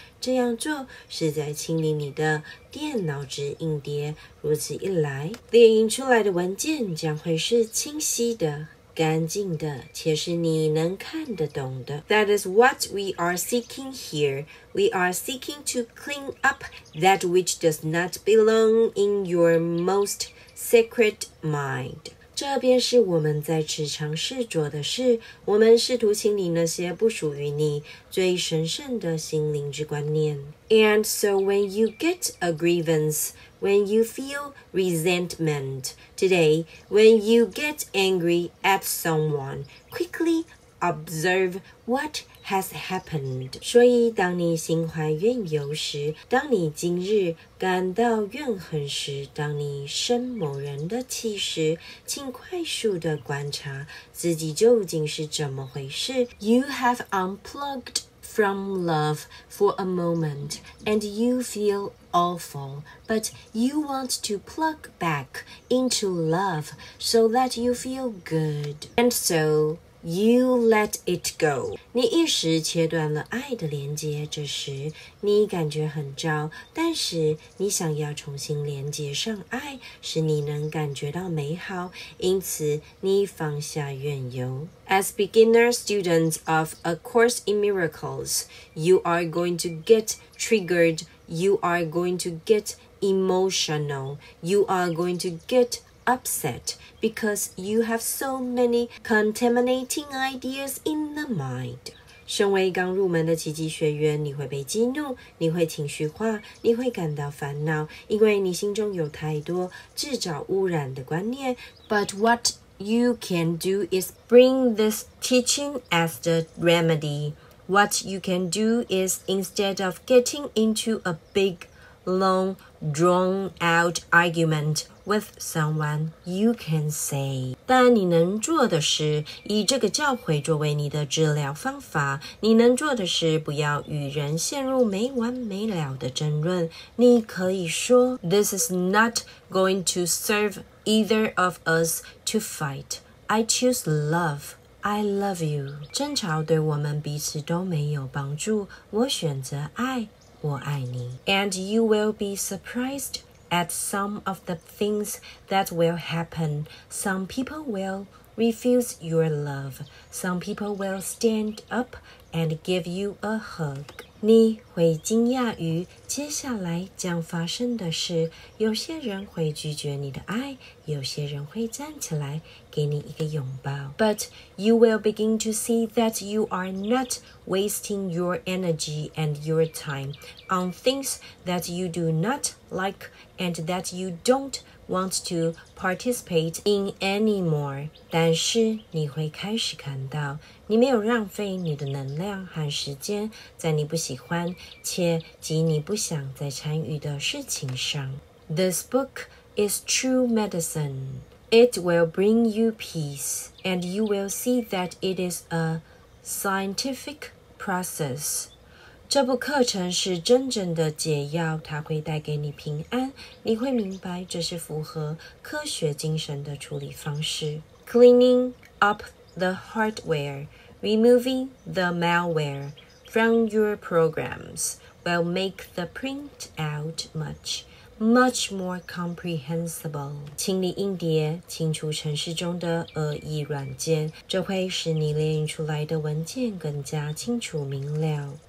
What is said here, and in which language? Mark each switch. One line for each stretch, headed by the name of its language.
Chinese: 这样做是在清理你的电脑之硬碟。如此一来，列印出来的文件将会是清晰的、干净的，且是你能看得懂的。
English: That is what we are seeking here. We are seeking to clean up that which does not belong in your most sacred mind.
Chinese: 这便是我们在时常试着的事。我们试图清理那些不属于你最神圣的心灵之观念。
English: And so when you get a grievance,When you feel resentment today, when you get angry at someone, quickly observe what has happened.
Chinese: 所以当你心怀怨尤时，当你今日感到怨恨时，当你生某人的气时，请快速地观察自己究竟是怎么回事。
English: You have unplugged from love for a moment and you feel awful, but you want to plug back into love so that you feel good. And so, you let it go.
Chinese: 你一时切断了爱的连接，这时你感觉很糟，但是你想要重新连接上爱，使你能感觉到美好，因此你放下怨尤。
English: As beginner students of A Course in Miracles, you are going to get triggered, you are going to get emotional, you are going to get upset because you have so many contaminating ideas in the mind.
Chinese: 身为刚入门的奇迹学员，你会被激怒，你会情绪化，你会感到烦恼，因为你心中有太多制造污染的观念。
English: But what you can do is bring this teaching as the remedy. What you can do is instead of getting into a big, long, drawn-out argument,With someone, you can say.
Chinese: 但你能做的是，以这个教诲作为你的治疗方法。你能做的是，不要与人陷入没完没了的争论。你可以说
English: ，This is not going to serve either of us to fight. I choose love. I love you.
Chinese: 争吵对我们彼此都没有帮助。我选择爱，我爱你。
English: And you will be surprised. At some of the things that will happen, some people will refuse your love. Some people will stand up and give you a hug.
Chinese: 你会惊讶于接下来将发生的事。有些人会拒绝你的爱，有些人会站起来给你一个拥抱。
English: But you will begin to see that you are not wasting your energy and your time on things that you do not like. And that you don't want to participate in anymore.
Chinese: 但是你会开始看到，你没有浪费你的能量和时间在你不喜欢且及你不想再参与的事情上。
English: This book is true medicine. It will bring you peace, and you will see that it is a scientific process.
Chinese: 这部课程是真正的解药，它会带给你平安。你会明白这是符合科学精神的处理方式。
English: Cleaning up the hardware, removing the malware from your programs will make the printout much more comprehensible.
Chinese: 清理硬碟，清除程式中的恶意软件，这会使你列印出来的文件更加清楚明了。